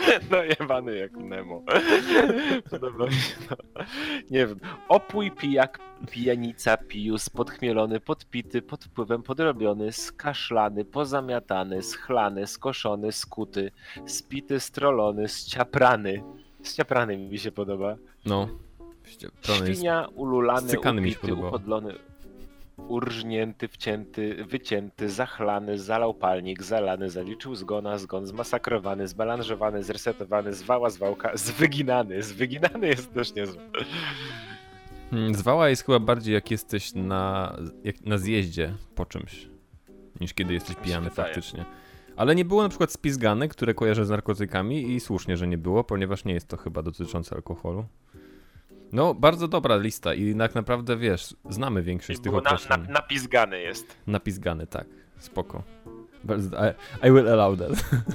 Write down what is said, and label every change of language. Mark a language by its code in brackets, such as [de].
[pl] No jebany jak Nemo. Podoba mi się to. Nie wiem. Opój, pijak, pijanica, pijus, podchmielony, podpity, pod wpływem, podrobiony, skaszlany, pozamiatany, schlany, skoszony, skuty, spity, strolony, zciaprany. Zciaprany mi się podoba. No. Świnia, ululany, upity, upodlony. Urżnięty, wcięty, wycięty, zachlany, zalał palnik, zalany, zaliczył zgona, zgon, zmasakrowany, zbalanżowany, zresetowany, zwała, zwałka, zwyginany. Zwyginany jest też niezły. Zwała jest chyba bardziej jak jesteś na, jak na zjeździe po czymś, niż kiedy jesteś pijany faktycznie. Ale nie było na przykład spizgane, które kojarzę z narkotykami i słusznie, że nie było, ponieważ nie jest to chyba dotyczące alkoholu. No, bardzo dobra lista i tak naprawdę, wiesz, znamy większość tych określeń. Napizgany jest. Napizgany, tak. Spoko. Bardzo, [en] I will allow that.